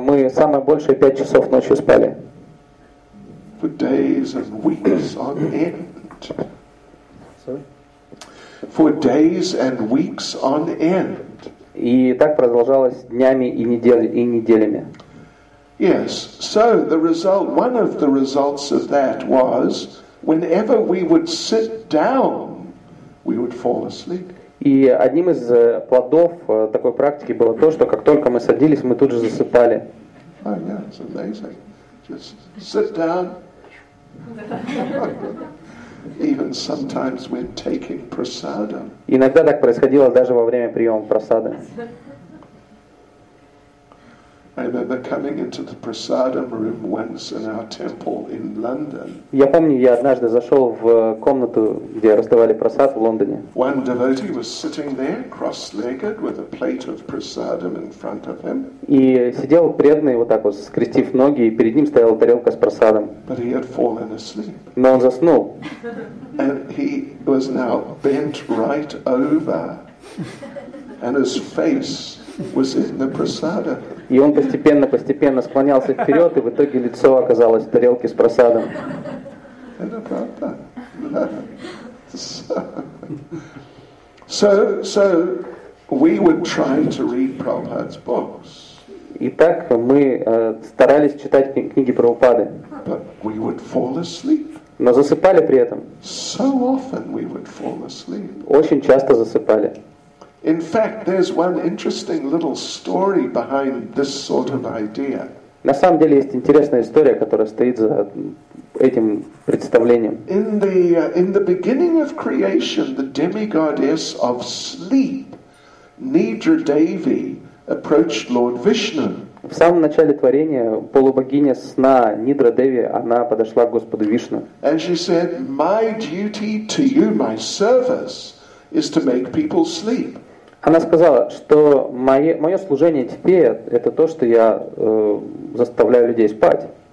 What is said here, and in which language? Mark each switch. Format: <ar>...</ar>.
<ru>Мы самое большее 5 часов ночью спали.</ru> <en>For days and weeks on end. Sorry? For days and weeks on end.</en> <ru>И так продолжалось днями и неделями.</ru> <en>Yes. So the result, one of the results of that was whenever we would sit down, we would fall asleep.</en> <ru>И одним из плодов такой практики было то, что как только мы садились, мы тут же засыпали.</ru> <en>Oh, yeah, it's amazing. Just sit down. Even sometimes when taking prasada.</en> <ru>Иногда так происходило даже во время приема прасады.</ru> <en>I remember coming into the prasadam room once in our temple in London.</en> <ru>Я помню, я однажды зашел в комнату, где раздавали прасад в Лондоне.</ru> <en>One devotee was sitting there, cross-legged, with a plate of prasadam in front of him.</en> <ru>И сидел преданный вот так вот, скрестив ноги, и перед ним стояла тарелка с прасадом.</ru> <en>But he had fallen asleep.</en> <ru>Но он заснул.</ru> <en>And he was now bent right over, and his face was in the prasada.</en> <ru>И он постепенно склонялся вперед, и в итоге лицо оказалось в тарелке с просадом. Это правда.</ru> <en>So we would try to read Prabhupada's books.</en> <ru>Итак, мы старались читать книги Прабхупады.</ru> <en>But we would fall asleep.</en> <ru>Но засыпали при этом.</ru> <en>So often we would fall asleep.</en> <ru>Очень часто засыпали.</ru> <en>In fact, there's one interesting little story behind this sort of idea.</en> <ru>На самом деле есть интересная история, которая стоит за этим представлением.</ru> <en>In the beginning of creation, the demigoddess of sleep, Nidra Devi, approached Lord Vishnu.</en> <ru>В самом начале творения полубогиня сна Нидра Деви она подошла к Господу Вишну.</ru> <en>And she said, "My duty to you, my service, is to make people sleep."</en> <ru>Она сказала, что мое служение тебе — это то, что я заставляю людей спать.</ru>